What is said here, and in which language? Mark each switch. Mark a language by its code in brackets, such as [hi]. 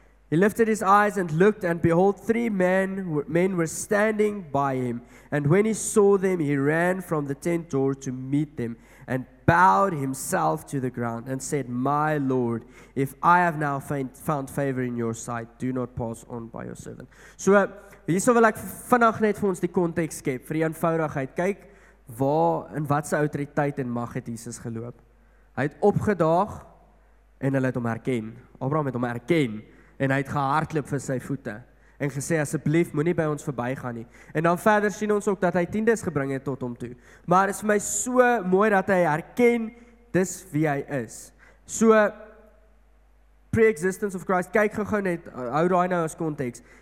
[en] He lifted his eyes and looked and behold, 3 men were standing by him. And when he saw them, he ran from the tent door to meet them and bowed himself to the ground and said, my Lord, if I have now found favor in your sight, do not pass on by your servant. [af] So, hierso wil ek vinnig net vir ons die konteks skep, vir die eenvoudigheid, kyk. Waar en wat se autoriteit en mag het Jesus geloop? Hy het opgedaag en hulle het hom herken. Abraham het hom herken en hy het gehardloop vir sy voete en gesê asseblief moenie by ons verbygaan nie. En dan verder sien ons ook dat hy tiendes gebring het tot hom toe. Maar het is vir my so mooi dat hy herken dis wie hy is. So [en] pre-existence of Christ, [af] kyk gou net, hou daai nou as konteks.